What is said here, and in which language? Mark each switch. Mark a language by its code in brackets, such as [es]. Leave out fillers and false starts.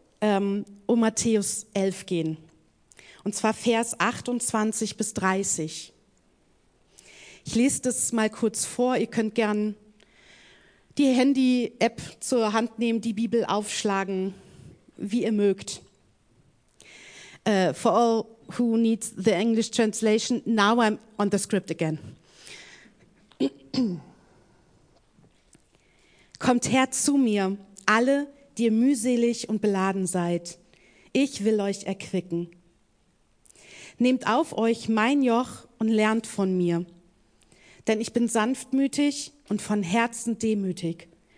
[de] um Matthäus 11 gehen. Und zwar Vers 28 bis 30. Ich lese das mal kurz vor. Ihr könnt gern die Handy-App zur Hand nehmen, die Bibel aufschlagen, wie ihr mögt. [en] For all who need the English translation, now I'm on the script again. [de] Kommt her zu mir, alle, die ihr mühselig und beladen seid. Ich will euch erquicken. Nehmt auf euch mein Joch und lernt von mir. Denn ich bin sanftmütig und von Herzen demütig.